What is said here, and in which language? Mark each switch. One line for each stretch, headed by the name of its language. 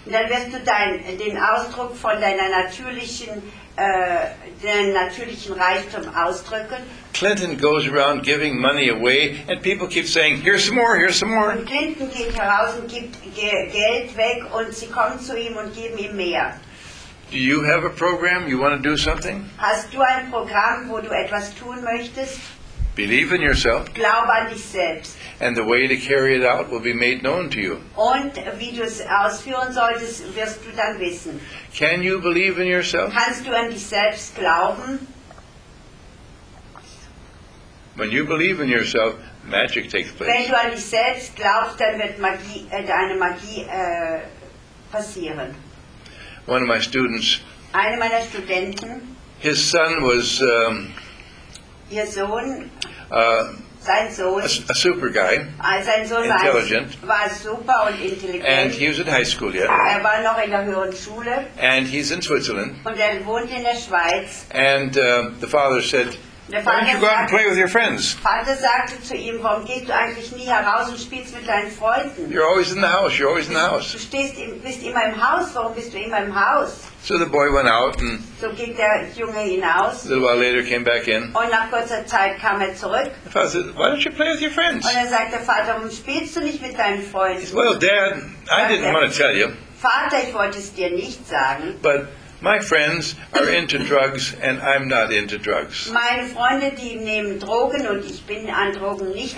German: Und dann wirst du den Ausdruck von deiner natürlichen natürlichen Reichtum ausdrücken.
English: Clinton goes around giving money away and people keep saying, here's some more, here's some more.
German: Und Clinton geht heraus und gibt Geld weg und sie kommen zu ihm und geben ihm mehr.
English: Do you have a program? You want to do something?
German: Hast du ein Programm, wo du etwas tun möchtest?
English: Believe in yourself.
German: Glaub an dich selbst.
English: And the way to carry it out will be made known to you.
German: Und wie du es ausführen solltest, wirst du dann wissen.
English: Can you believe in yourself?
German: Kannst du an dich selbst glauben?
English: When you believe in yourself, magic takes place.
German: Wenn du an dich selbst glaubst, dann wird deine Magie passieren.
English: One of my students.
German: Eine meiner Studenten.
English: His son was.
German: Ihr Sohn. Sein Sohn,
English: a super guy,
German: sein Sohn
English: intelligent,
German: war super und intelligent,
English: and he was in high school yet.
German: Er war noch in der höheren Schule,
English: and he's in Switzerland.
German: Und er wohnt in der Schweiz.
English: And the father said, "Why don't you go out and play with your friends?"
German: Vater sagte zu ihm, warum gehst du eigentlich nie heraus und spielst mit deinen Freunden?
English: You're always in the house. You're always in the house.
German: Du bist immer im Haus. Warum bist du immer im Haus?
English: So the boy went out and.
German: So ging der Junge hinaus.
English: A little while later, came back in.
German: Und nach kurzer Zeit kam er zurück.
English: The father said, "Why don't you play with your friends?"
German: Und er sagte, Vater, warum spielst du nicht mit deinen Freunden?
English: Said, well, Dad, I didn't want to tell you.
German: Vater, ich wollte es dir nicht sagen.
English: But my friends are into drugs, and I'm not into drugs.
German: Meine Freunde, die nehmen Drogen, und ich bin an Drogen nicht.